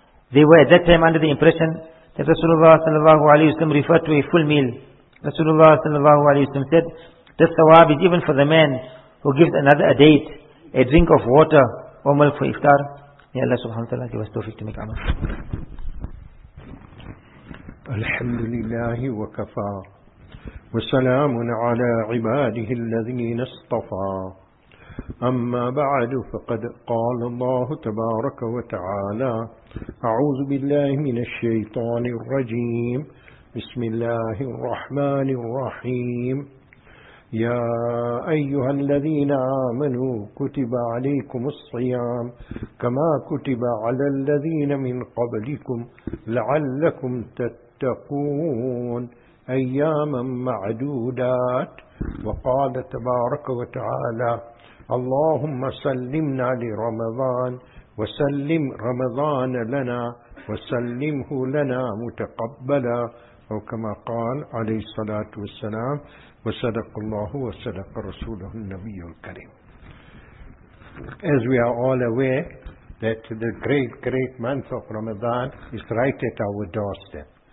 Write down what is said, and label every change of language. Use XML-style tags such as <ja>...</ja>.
<en>They were at that time under the impression that Rasulullah sallallahu alayhi wa sallam referred to a full meal. Rasulullah sallallahu alayhi wa sallam said, this thawab is even for the man who gives another a date, a drink of water or milk for iftar. May Allah subhanahu wa ta'ala give us tawfiq to make amal.</en> <ar>الحمد لله وكفى وسلام على عباده الذين اصطفى أما بعد فقد قال الله تبارك وتعالى أعوذ بالله من الشيطان الرجيم بسم الله الرحمن الرحيم يا أيها الذين آمنوا كتب عليكم الصيام كما كتب على الذين من قبلكم لعلكم تتقون أياما معدودات وقال تبارك وتعالى اللهم سلمنا لرمضان وسلم رمضان لنا وسلمه لنا متقبلا أو كما قال عليه الصلاة والسلام وصدق الله وصدق رسوله النبي الكريم.</ar> <en>As we are all aware that the great, great month of Ramadan is right at our doorstep.</en>